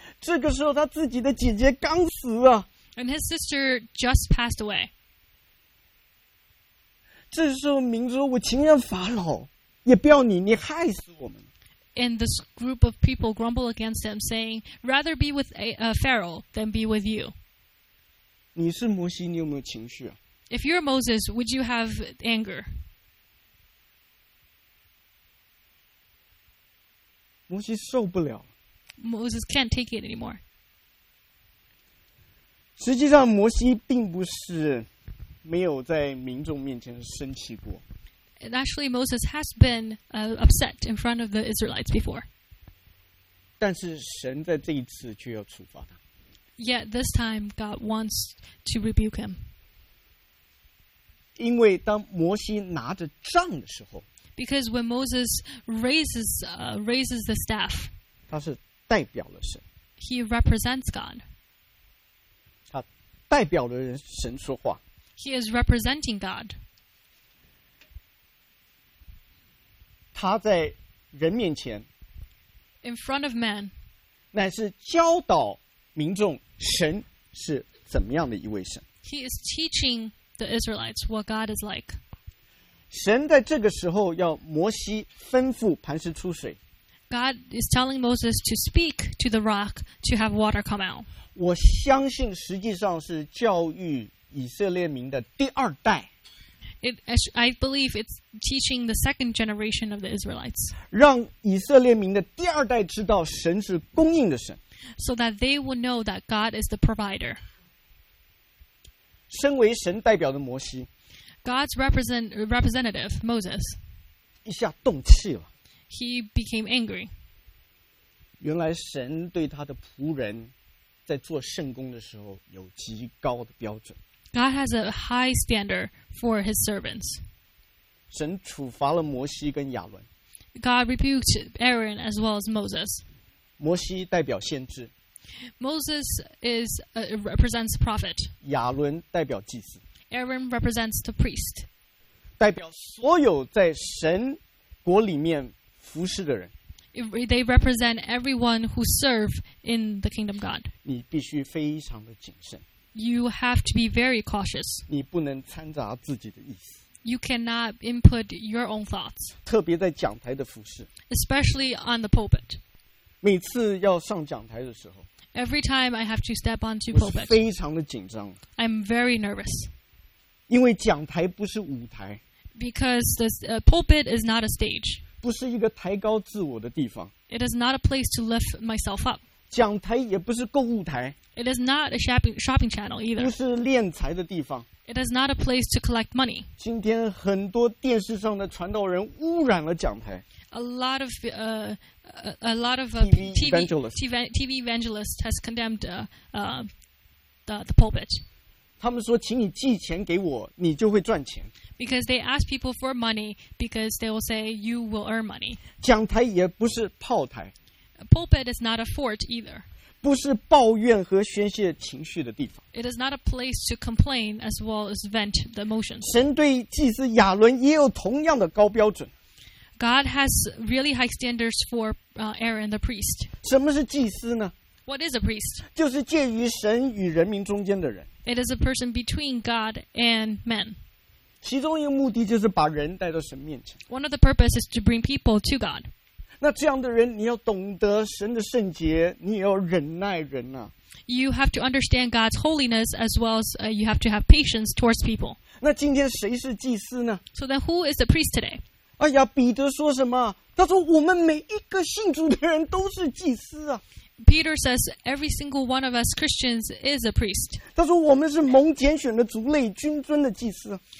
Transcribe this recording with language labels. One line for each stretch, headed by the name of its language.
Chinese: 这个时候他自己的姐姐刚死啊。
English: And his sister just passed away.
Chinese: 这时候民族我情愿法老也不要你你害死我们。
English: And this group of people grumble against him saying, rather be with Pharaoh than be with you.
Chinese: 你是摩西你有没有情绪啊
English: ?If you're Moses, would you have anger?
Chinese: 摩西受不了。
English: Moses can't take it anymore.
Chinese: 实际上，摩西并不是没有在民众面前生气过。
English: Actually, Moses has been upset in front of the Israelites before.
Chinese: 但是神在这一次却要处罚他。
English: Yet this time, God wants to rebuke him.
Chinese: 因为当摩西拿着杖的时候。
English: Because when Moses raises the staff,
Chinese: 他是代表了神。
English: He represents God.
Chinese: 他代表了神说话。
English: He is representing God.
Chinese: 他在人面前。
English: In front of man.
Chinese: 乃是教导民众神是怎么样的一位神。
English: He is teaching the Israelites what God is like.
Chinese: 神在这个时候要摩西吩咐磐石出水。
English: God is telling Moses to speak to the rock to have water come out.
Chinese: 我相信实际上是教育以色列民的第二代。
English: I believe it's teaching the second generation of the Israelites.
Chinese: 让以色列民的第二代知道神是供应的神。
English: So that they will know that God is the provider.
Chinese: 身为神代表的摩西。
English: God's representative, Moses,
Chinese: 一下动气了。
English: He became angry.
Chinese: 原来神对他的仆人在做圣工的时候有极高的标准。
English: God has a high standard for his servants.
Chinese: 神处罚了摩西跟亚伦。
English: God rebuked Aaron as well as Moses.
Chinese: 摩西代表先知。
English: Moses is, represents the prophet.
Chinese: 亚伦代表祭司。
English: Aaron represents the priest.
Chinese: 代表所有在神国里面服侍的人。
English: They represent everyone who serve in the kingdom of God.
Chinese: 你必须非常的谨慎。
English: You have to be very cautious.
Chinese: 你不能掺杂自己的意思。
English: You cannot input your own thoughts.
Chinese: 特别在讲台的服侍。
English: Especially on the pulpit.
Chinese: 每次要上讲台的时候。
English: Every time I have to step onto pulpit.
Chinese: 我是非常的紧张。
English: I'm very nervous.
Chinese: 因为讲台不是舞台
English: ，because the pulpit is not a stage，
Chinese: 不是一个抬高自我的地方
English: ，it is not a place to lift myself up。
Chinese: 讲台也不是购物台
English: ，it is not a shopping channel either。
Chinese: 不是敛财的地方
English: ，it is not a place to collect money。
Chinese: 今天很多电视上的传道人污染了讲台
English: ，a lot of TV evangelists has condemned the pulpit。
Chinese: 他们说请你寄钱给我你就会赚钱
English: because they ask people for money because they will say you will earn money
Chinese: 讲台也不是炮台
English: a pulpit is not a fort either
Chinese: 不是抱怨和宣泄情绪的地方
English: it is not a place to complain as well as vent the emotions
Chinese: 神对祭司亚伦也有同样的高标准
English: God has really high standards for Aaron the priest
Chinese: 什么是祭司呢
English: What is a priest?
Chinese: 就是介于神与人民中间的人。
English: It is a person between God and men.
Chinese: 其中一个目的就是把人带到神面前。
English: One of the purposes is to bring people to God.
Chinese: 那这样的人，你要懂得神的圣洁，你也要忍耐人啊。
English: You have to understand God's holiness as well as you have to have patience towards people.
Chinese: 那今天谁是祭司呢？
English: So then who is the priest today?
Chinese: 哎呀，彼得说什么？他说我们每一个信主的人都是祭司啊。
English: Peter says, every single one of us Christians is a priest.
Chinese: 他说我们是蒙拣选的族类，君尊的祭司。